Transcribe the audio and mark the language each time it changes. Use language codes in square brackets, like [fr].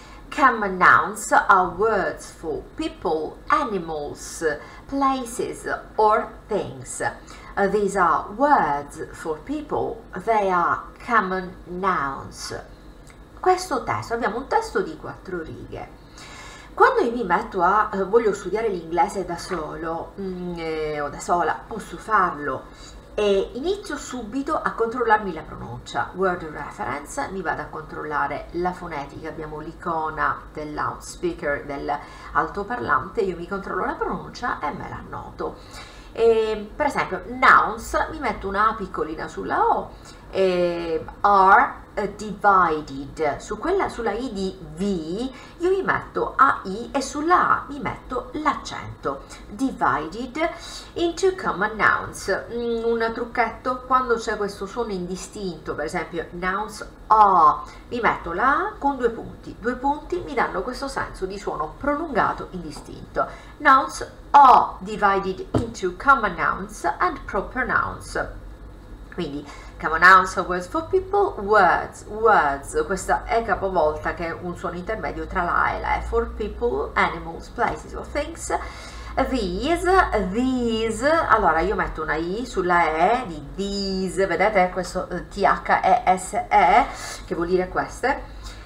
[en] Common nouns are words for people, animals, places, or things. These are words for people, they are common nouns. [it] Questo testo, abbiamo un testo di 4 righe. Quando io mi metto a voglio studiare l'inglese da solo o da sola, posso farlo e inizio subito a controllarmi la pronuncia. Word reference, mi vado a controllare la fonetica, abbiamo l'icona dell'outspeaker, dell'altoparlante, io mi controllo la pronuncia e me la noto. E, per esempio, nouns, mi metto una piccolina sulla O, [en] are divided, [it] sulla I di V io mi metto AI e sulla A mi metto l'accento, [en] divided into common nouns. [it] Un trucchetto, quando c'è questo suono indistinto, per esempio nouns A, mi metto la A con 2 punti, 2 punti mi danno questo senso di suono prolungato indistinto. [en] Nouns are divided into common nouns and proper nouns. Quindi, common nouns are words for people, words, words. [it] Questa è capovolta, che è un suono intermedio tra la A e la E. [en] For people, animals, places or things. [it] These, allora io metto una I sulla E di these, vedete questo THESE, che vuol dire queste.